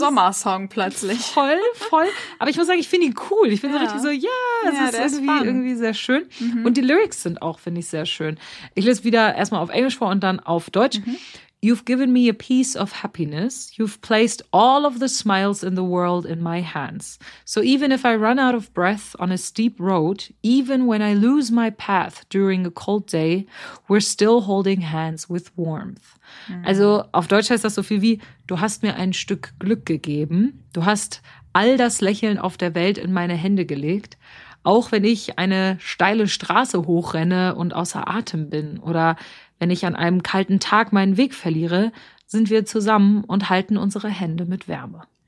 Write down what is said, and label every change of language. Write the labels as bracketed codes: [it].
[de] So ein Sommersong plötzlich. Voll, voll. Aber ich muss sagen, ich finde ihn cool. Ich finde ihn richtig so, ja, es ist irgendwie, sehr schön. Mhm. Und die Lyrics sind auch, finde ich, sehr schön. Ich lese wieder erstmal auf Englisch vor und dann auf Deutsch. Mhm. [en] You've given me a piece of happiness. You've placed all of the smiles in the world in my hands. So even if I run out of breath on a steep road, even when I lose my path during a cold day, we're still holding hands with warmth. Mhm. [de] Also auf Deutsch heißt das so viel wie, du hast mir ein Stück Glück gegeben. Du hast all das Lächeln auf der Welt in meine Hände gelegt. Auch wenn ich eine steile Straße hochrenne und außer Atem bin oder wenn ich an einem kalten Tag meinen Weg verliere, sind wir zusammen und halten unsere Hände mit Wärme.